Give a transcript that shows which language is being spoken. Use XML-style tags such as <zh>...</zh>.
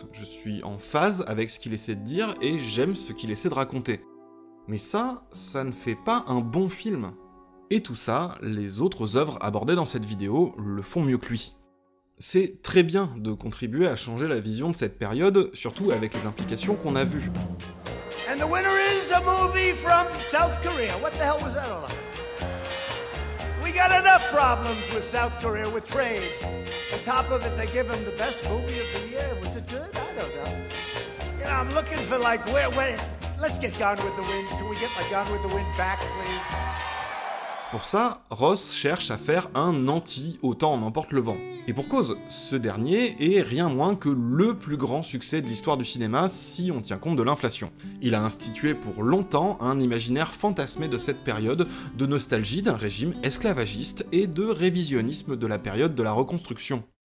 <fr>Je suis en phase avec ce qu'il essaie de dire et j'aime ce qu'il essaie de raconter. Mais ça, ça ne fait pas un bon film. Et tout ça, les autres œuvres abordées dans cette vidéo le font mieux que lui. C'est très bien de contribuer à changer la vision de cette période, surtout avec les implications qu'on a vues.</fr> <en>And the winner is a movie from South Korea. What the hell was that all about? We got enough problems with South Korea with trade. On top of it, they give him the best movie of the year. Was it good? I don't know. You know, I'm looking for like where let's get Gone with the Wind. Can we get like Gone with the Wind back, please?</en> <fr>Pour ça, Ross cherche à faire un anti-Autant en emporte le vent. Et pour cause, ce dernier est rien moins que le plus grand succès de l'histoire du cinéma si on tient compte de l'inflation. Il a institué pour longtemps un imaginaire fantasmé de cette période, de nostalgie d'un régime esclavagiste et de révisionnisme de la période de la Reconstruction.</fr>